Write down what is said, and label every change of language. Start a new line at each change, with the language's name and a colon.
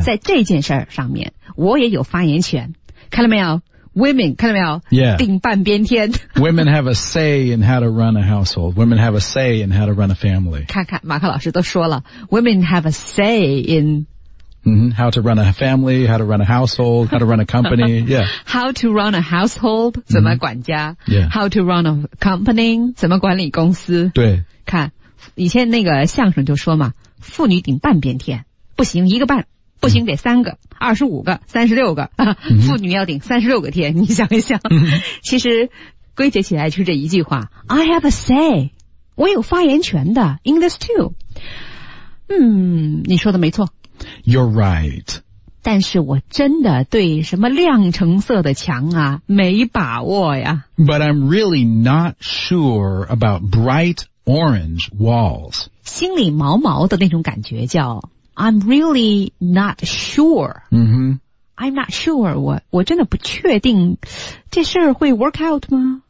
Chinese: 在这件事上面我也有发言权。看到没有 Women, 看到没有
English: Yeah.
Chinese: 顶半边天。
English: Women have a say in how to run a household. Women have a say in how to run a family.
Chinese: 看看马克老师都说了
English: Women have a say in... How to run a family, how to run a household, how to run a company. Yeah. How to run a household,
Chinese: 怎么管家。
English: Yeah. How to run a company,
Chinese: 怎么管理公司。对。看以前那个相声就说嘛妇女顶半边天。不行一个半。不行得三个二十五个三十六个。妇女要顶三十六个天你想一想。其实归结起来就是这一句话。
English: I have a say.
Chinese: 我有发言权的
English: in this too.
Chinese: 你说的没错。
English: You're right.
Chinese: 但是我真的对什么亮橙色的墙啊没把握呀。
English: But I'm really not sure about bright orange walls.
Chinese: 心里毛毛的那种感觉叫
English: I'm really not sure. I'm not sure.
Chinese: 我真的不确定这事儿会 work out 吗